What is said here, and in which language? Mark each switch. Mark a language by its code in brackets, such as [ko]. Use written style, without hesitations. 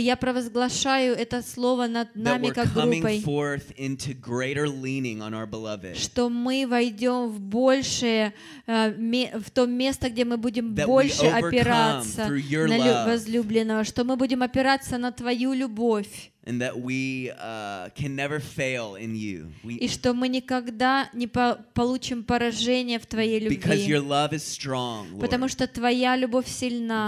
[ru] Я провозглашаю это слово над нами как группой, что мы войдем в большее, в то место, где мы будем больше опираться на возлюбленного, что мы будем опираться на твою любовь. [en] And that we can never fail in you. [ru] И что мы никогда не получим поражение в твоей любви. [en] Because your love is strong, Lord. [ru] Потому что твоя любовь сильна.